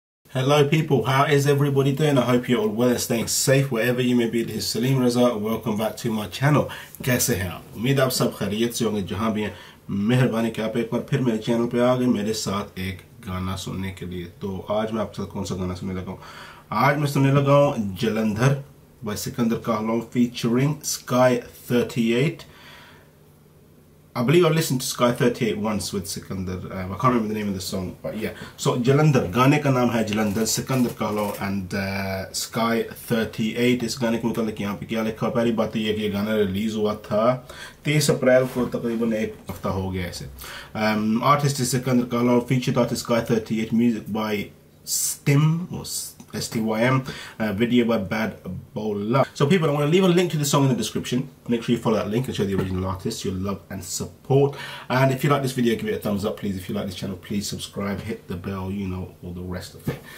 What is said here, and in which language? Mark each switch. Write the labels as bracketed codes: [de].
[en] Hello people, how is everybody doing? I hope you're all well and staying safe wherever you may be. This is Salim Reza, welcome back to my channel. [ur] کیسے ہیں آپ؟ امید آپ سب خیریت سے ہونگے جہاں بھی ہیں۔ مہربانی کہ آپ ایک بار پھر میرے چینل پہ آ گئے میرے ساتھ ایک گانا سننے کے لیے۔ تو آج میں آپ کے ساتھ کون سا گانا سننے لگا ہوں؟ Aaj main sunne laga hu [en] Jalandhar by Sikander Kahlon featuring Sky 38. I believe I listened to Sky 38 once with Sikander. I can't remember the name of the song, but yeah. [ur] So Jalandhar, گانے کا نام ہے Jalandhar, Sikandar کاہلوں and Sky 38. اس گانے کے متعلق یہاں پہ کیا لکھا؟ پہلی بات یہ ہے کہ یہ گانا ریلیز ہوا تھا 30 اپریل کو، تقریباً ایک ہفتہ ہو گیا ایسے۔ [en] Artist is Sikander Kahlon, featured artist Sky 38, music by STYM STYM, video by Bad Bola. So people, I'm going to leave a link to the song in the description. Make sure you follow that link and show the original artist your love and support. And if you like this video, give it a thumbs up, please. If you like this channel, please subscribe, hit the bell, you know, all the rest of it.